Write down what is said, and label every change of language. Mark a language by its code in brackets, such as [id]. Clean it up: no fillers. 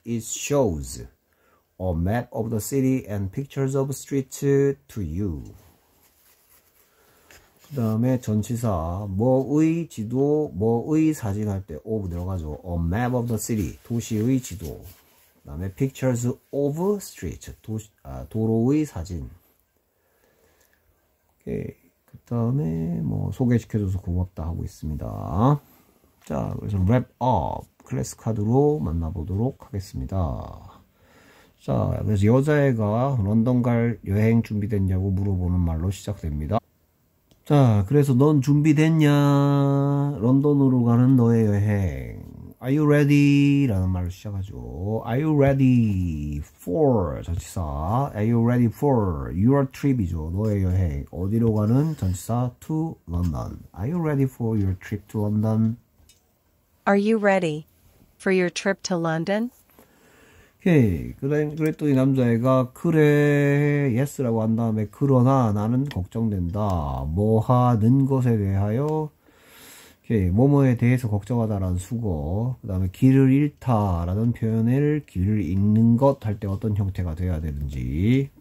[en] It shows a map of the city and pictures of streets to you. [ko] 그 다음에 전치사 뭐의 지도 뭐의 사진 할때 of 들어가죠. [en] A map of the city [ko] 도시의 지도. 그 다음에 [en] pictures of streets [ko] 도로의 사진. 오케이. 그 다음에 뭐 소개시켜줘서 고맙다 하고 있습니다. 자 그래서 wrap up 클래스 카드로 만나보도록 하겠습니다. 자 그래서 여자애가 런던 갈 여행 준비됐냐고 물어보는 말로 시작됩니다. 자, 그래서 넌 준비됐냐? 런던으로 가는 너의 여행. [en] Are you ready? [ko] 라는 말로 시작하죠. [en] Are you ready for 전치사? Are you ready for your trip이죠. [ko] 너의 여행. 어디로 가는 전치사? [en] To London. Are you ready for your trip to London? Are you ready for your trip to London? [ko] 오케이. 그랬더니 남자애가 그래 예스라고 한 다음에 그러나 나는 걱정된다. 뭐 하는 것에 대하여 오케이. 뭐뭐에 대해서 걱정하다라는 수거. 그 다음에 길을 잃다라는 표현을 길을 잃는 것할때 어떤 형태가 돼야 되는지.